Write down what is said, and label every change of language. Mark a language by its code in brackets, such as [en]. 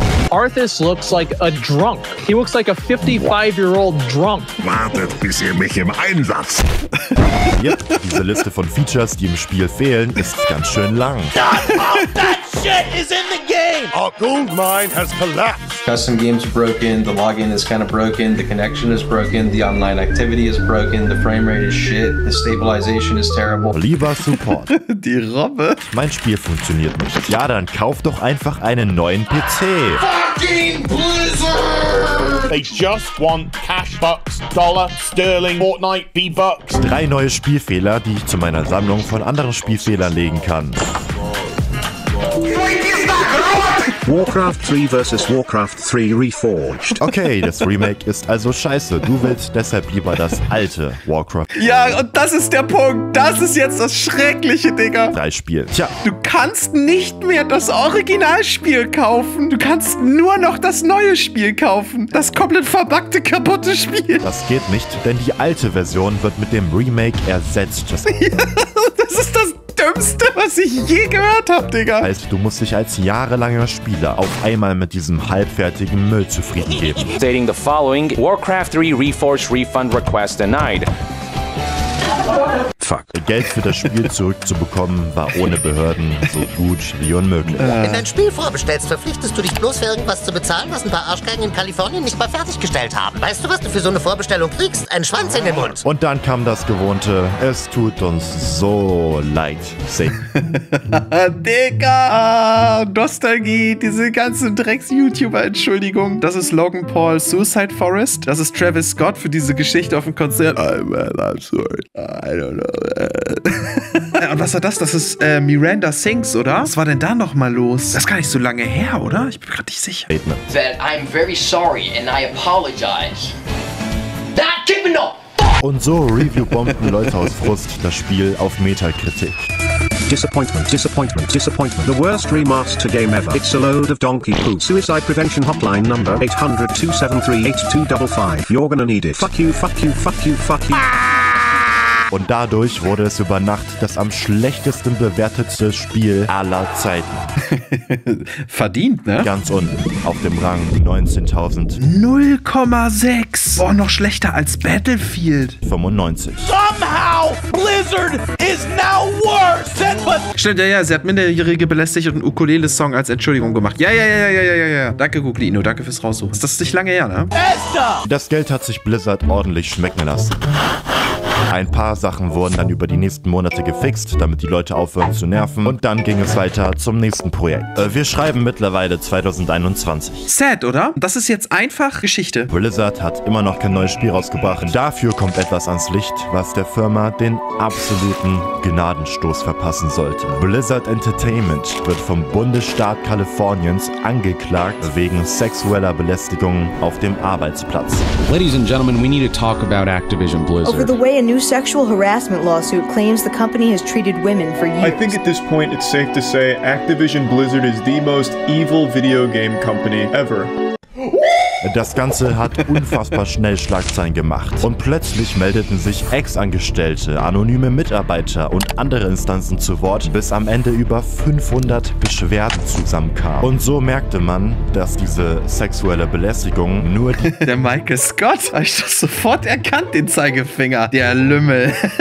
[en] Arthas looks like a drunk. He looks like a 55-year-old drunk. [de] Wartet, bis ihr mich im Einsatz. Yep, diese Liste von Features, die im Spiel fehlen, ist ganz schön lang. [en] That shit is in the game. Our gold mine has collapsed. Custom games broken, the login is kind of broken, the connection is broken, the online activity is broken, the frame rate is shit, the stabilization is terrible. [de] Lieber Support. Die Robbe. Mein Spiel funktioniert nicht. Ja, dann kauf doch einfach einen neuen PC. [en] Fucking Blizzard! They just want cash bucks, dollar, sterling, Fortnite, V-Bucks. [de] Drei neue Spielfehler, die ich zu meiner Sammlung von anderen Spielfehlern legen kann. Warcraft 3 vs. Warcraft 3 Reforged. Okay, das Remake ist also scheiße. Du willst deshalb lieber das alte Warcraft. Ja, und das ist der Punkt. Das ist jetzt das Schreckliche, Digga. Drei Spiel. Tja. Du kannst nicht mehr das Originalspiel kaufen. Du kannst nur noch das neue Spiel kaufen. Das komplett verbuggte, kaputte Spiel. Das geht nicht, denn die alte Version wird mit dem Remake ersetzt. Ja, das ist das Dümmste, was ich je gehört habe, Digga. Heißt, du musst dich als jahrelanger Spieler auf einmal mit diesem halbfertigen Müll zufrieden geben. [en] Stating the following, Warcraft 3 Reforged Refund Request denied. Fuck. [de] Geld für das Spiel zurückzubekommen, war ohne Behörden so gut wie unmöglich. Wenn dein Spiel vorbestellst, verpflichtest du dich bloß für irgendwas zu bezahlen, was ein paar Arschgeigen in Kalifornien nicht mal fertiggestellt haben. Weißt du, was du für so eine Vorbestellung kriegst? Ein Schwanz in den Mund. Und dann kam das Gewohnte. Es tut uns so leid. Digga! Nostalgie, diese ganzen Drecks-YouTuber, Entschuldigung. Das ist Logan Paul, Suicide Forest. Das ist Travis Scott für diese Geschichte auf dem Konzert. [en] Oh man, I'm sorry. I don't know. [de] Und was war das? Das ist Miranda Sings, oder? Was war denn da nochmal los? Das ist gar nicht so lange her, oder? Ich bin gerade nicht sicher. [en] That I'm very sorry and I apologize. That keeping up! [de] Und so review-bomben Leute aus Frust das Spiel auf Metacritic. [en] Disappointment, disappointment, disappointment. The worst remaster game ever. It's a load of donkey poo. Suicide prevention hotline number 800-273-8255. You're gonna need it. Fuck you, fuck you, fuck you, fuck you. [de] Und dadurch wurde es über Nacht das am schlechtesten bewertete Spiel aller Zeiten. Verdient, ne? Ganz unten auf dem Rang 19.000. 0,6. Boah, noch schlechter als Battlefield. 95. [en] Somehow Blizzard is now worse than what... [de] Stimmt, ja, sie hat Minderjährige belästigt und einen Ukulele-Song als Entschuldigung gemacht. Ja. Danke, Guglino, danke fürs Raussuchen. Das ist nicht lange her, ne? Esther! Das Geld hat sich Blizzard ordentlich schmecken lassen. Ein paar Sachen wurden dann über die nächsten Monate gefixt, damit die Leute aufhören zu nerven. Und dann ging es weiter zum nächsten Projekt. Wir schreiben mittlerweile 2021. Sad, oder? Das ist jetzt einfach Geschichte. Blizzard hat immer noch kein neues Spiel rausgebracht. Dafür kommt etwas ans Licht, was der Firma den absoluten Gnadenstoß verpassen sollte. Blizzard Entertainment wird vom Bundesstaat Kaliforniens angeklagt wegen sexueller Belästigung auf dem Arbeitsplatz. [en] Ladies and gentlemen, we need to talk about Activision Blizzard. Over the way a new sexual harassment lawsuit claims the company has treated women for years. I think at this point it's safe to say Activision Blizzard is the most evil video game company ever. [de] Das Ganze hat unfassbar schnell Schlagzeilen gemacht. Und plötzlich meldeten sich Ex-Angestellte, anonyme Mitarbeiter und andere Instanzen zu Wort, bis am Ende über 500 Beschwerden zusammenkamen. Und so merkte man, dass diese sexuelle Belästigung nur die... Der Michael Scott, habe ich das sofort erkannt, den Zeigefinger. Der Lümmel.